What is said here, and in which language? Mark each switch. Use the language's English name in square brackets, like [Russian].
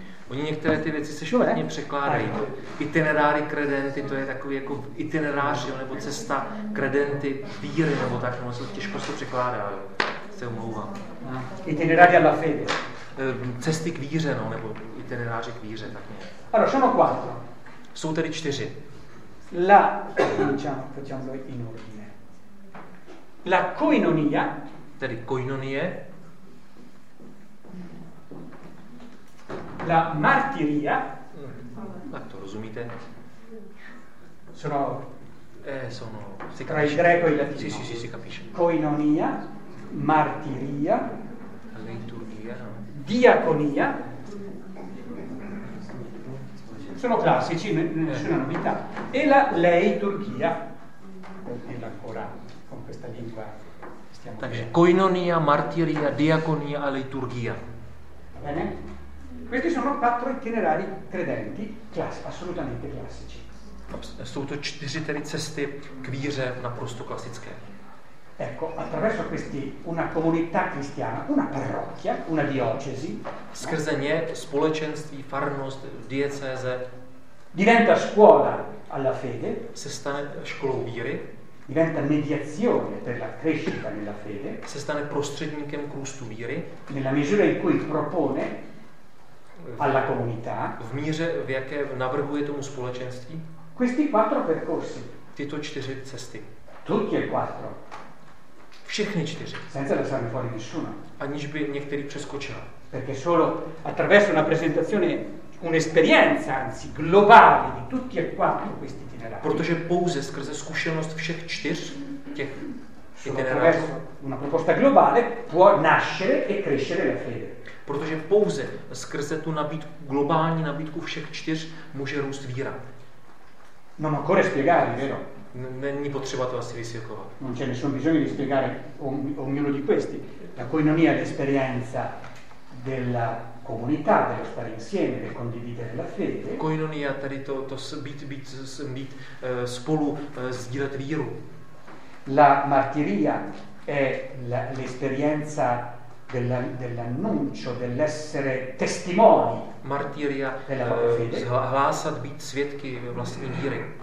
[Czech] Oni některé ty věci se špatně překládají. Itineráry credenti, to je takový jako itinerář, jo, nebo cesta credenti víry, nebo tak, no, těžko se překládá, jo. Se omlouvám. [Italian] Itinerari alla fede. [Czech] Cesty k víře, no, nebo itineráři k víře, tak nějak. [Italian] Allora, sono quattro. [Czech] Jsou tedy čtyři. [Italian] La, diciamo, facciamo in ordine. La koinonia. [Czech] Tedy koinonie. [Italian] La martiria. [Czech] Ma to rozumíte? [Italian] Sono. Sono. Si tra il greco e il latino. Sì, sì, sì, si capisce. Koinonia, martiria. La liturgia. No? Diaconia. Sono classici, nessuna novità. E la leiturgia. Continua ancora con questa lingua. Stiamo. [Czech] Takže koinonia, martiria, diaconia e liturgia. [Italian] Va bene? Questi sono quattro itinerari credenti, assolutamente classici. [Czech] Sono to čtyři tedy cesty k víře naprosto klasické. [Italian] Ecco, attraverso questi una comunità cristiana, una parrocchia, una diocesi, [Czech] skrze ně společenství, farnost, diecéze, [Italian] diventa scuola alla fede, [Czech] se stane školou víry, [Italian] diventa mediazione per la crescita nella fede, [Czech] se stane prostředníkem k růstu víry, [Italian] nella misura in cui propone alla comunità, [Czech] v míře, v jaké navrhuje tomu společenství, [Italian] questi quattro percorsi, [Czech] tyto čtyři cesty, [Italian] tutti e quattro, [Czech] všechny čtyři, [Italian] senza lasciarne fuori nessuno, [Czech] aniž by některý přeskočil, [Italian] perché solo attraverso una presentazione, un'esperienza, anzi globale di tutti e quattro questi itinerari, [Czech] protože pouze skrze zkušenost všech čtyř těch itinerari, [Italian] attraverso una proposta globale può nascere e crescere la fede. [Czech] Protože pouze skrze tu nabídku, globální nabídku všech čtyř může růst víra. [Italian] Non occorre spiegare, vero? [Czech] Není potřeba to asi vysvětlovat. [Italian] Non c'è nessun bisogno di spiegare ognuno di questi. La coinonia è l'esperienza della comunità, dello stare insieme, del condividere la fede. [Czech] Coinonia, tady to být spolu, sdílet víru. [Italian] La martiria è l'esperienza dell'annuncio, dell'essere testimoni. Martiria, della fede. [Czech] Hlásat, být svědky vlastní víry.